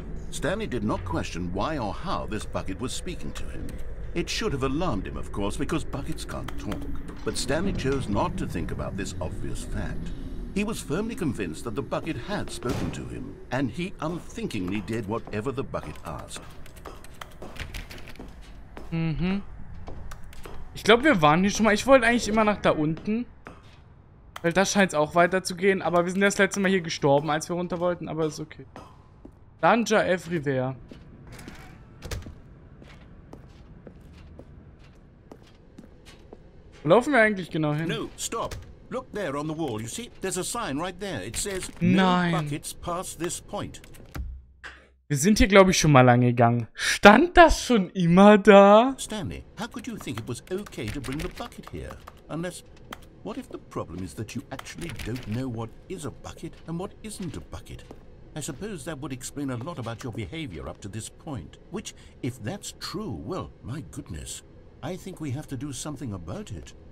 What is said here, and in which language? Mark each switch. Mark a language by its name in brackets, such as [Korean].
[English] Stanley did not question why or how this bucket was speaking to him. It should have alarmed him, of course, because buckets can't talk. But Stanley chose not to think about this obvious fact. He was firmly convinced that the bucket had spoken to him, and he unthinkingly did whatever the bucket asked. Mhm. [German] Ich glaube, wir waren hier schon mal. Ich wollte eigentlich immer nach da unten. Weil da scheint es auch weiter zu gehen. Aber wir sind das letzte Mal hier gestorben, als wir runter wollten. Aber ist okay. [English] Danger everywhere. [German] Wo laufen wir eigentlich genau hin? [English] No, stop. Look there on the wall. You see, there's a sign right there. It says, [German] nein. [English] No buckets past this point. [German] Wir sind hier, glaube ich, schon mal lang gegangen. Stand das schon immer da? [English] Stanley, how could you think it was okay to bring the bucket here? Unless, what if the problem is that you actually don't know what is a bucket and what isn't a bucket? I suppose that would explain a lot about your behavior up to this point. Which, if that's true, well, my goodness. I think we have to do something about it.